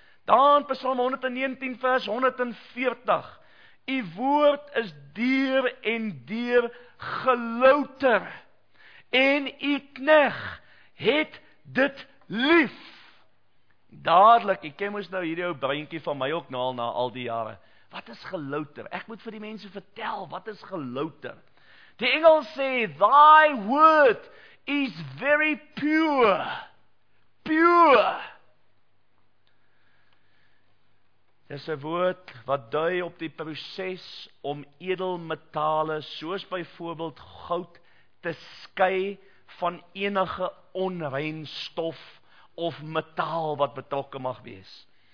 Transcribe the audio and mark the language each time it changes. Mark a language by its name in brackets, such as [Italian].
[Afrikaans] Daar in Psalm 119 vers 140, u woord is deur en deur gelouter, en u knegg het dit lief. Dadelik, ek ken mos nou hierdie ou breintjie van my ook naal na al die jare, wat is gelouter? Ek moet vir die mense vertel, wat is gelouter? [English] Die Engels sê, thy word is very pure. Pure. [Afrikaans] Dit is 'n woord wat dui op die proses om edelmetale, soos byvoorbeeld goud, te skei van enige onrein stof of metaal wat betrokke mag wees.